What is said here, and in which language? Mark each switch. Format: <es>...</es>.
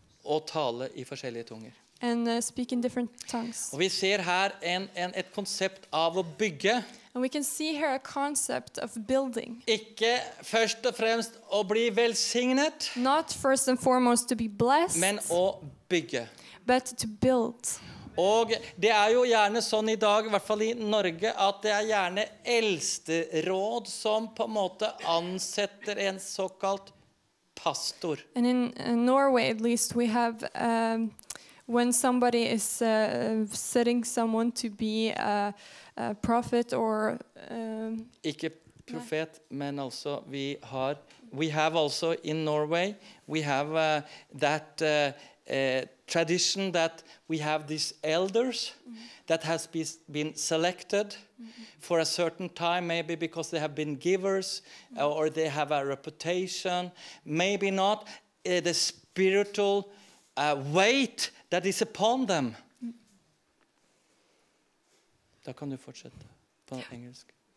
<no>Og tale i forskjellige tunger.</no> <en>And speak in different tongues.</en> <no>Og vi ser her et konsept av å bygge.</no> <en>And we can see here a concept of building.</en> <no>Ikke først og fremst å bli velsignet.</no> <en>Not first and foremost to be blessed.</en> <no>Men å bygge.</no> <en>But to build.</en> <no>Og det er jo gjerne sånn i dag, i hvert fall i Norge, at det er gjerne eldsteråd som på en måte ansetter en såkalt pastor.</no> <en>And in Norway at least we have when somebody is setting someone to be a prophet or</en> <no>ikke profet, men altså vi har,</no> <en>we have also in Norway, we have that tradition that we have these elders that has been selected for a certain time, maybe because they have been givers or they have a reputation, maybe not the spiritual weight that is upon them.</en> <no>Da kan du fortsette på engelsk.</no>